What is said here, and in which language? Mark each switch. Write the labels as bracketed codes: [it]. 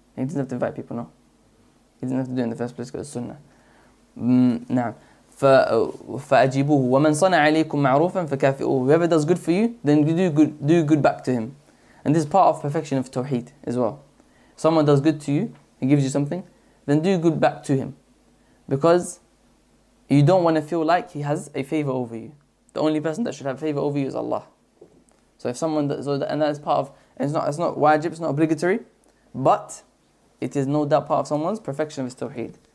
[en] He doesn't have to invite people, no. He doesn't have to do it in the first place because it's sunnah. [ar] فأجيبوه ومن صنع عليكم معروفا فكافئوه. [en] Whoever does good for you, then you do good back to him. And this is part of perfection of Tawheed as well. Someone does good to you, he gives you something, then do good back to him. Because you don't want to feel like he has a favor over you. The only person that should have favor over you is Allah. So if someone does, and that is part of, it's not wajib, it's not obligatory, but it is no doubt part of someone's perfection of his Tawheed.